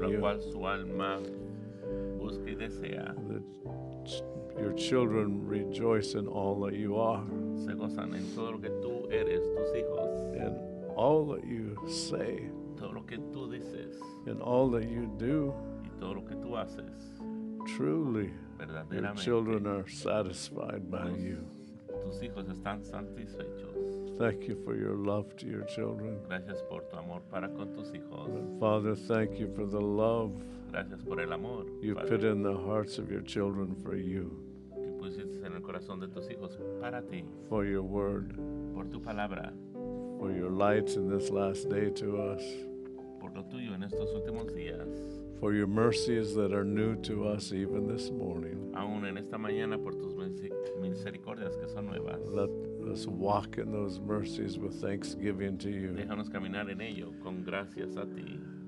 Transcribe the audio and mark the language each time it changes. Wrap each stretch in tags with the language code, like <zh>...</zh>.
<es>Por lo cual su alma busca y desea.</es> <en>Your children rejoice in all that you are.</en> <es>Se gozan en todo lo que tú eres, tus hijos.</es> <en>In all that you say.</en> <es>Todo lo que tú dices.</es> <en>In all that you do.</en> <es>Y todo lo que tú haces.</es> <en>Truly,</en> <es>verdaderamente,</es> <en>your children are satisfied by you.</en> <es>Tus hijos están satisfechos.</es> <en>Thank you for your love to your children.</en> <es>Gracias por tu amor para con tus hijos.</es> <en>Father, thank you for the love.</en> <es>Gracias por el amor.</es> <en>You put in the hearts of your children for you.</en> <es>Que pusiste en el corazón de tus hijos para ti.</es> <en>For your word.</en> <es>Por tu palabra.</es> <en>For your light in this last day to us.</en> <es>Por lo tuyo en estos últimos días.</es> <en>For your mercies that are new to us even this morning.</en> <es>Aún en esta mañana por tus misericordias que son nuevas.</es> <en>Let us walk in those mercies with thanksgiving to you.</en> <es>Déjanos caminar en ello con gracias a ti.</es>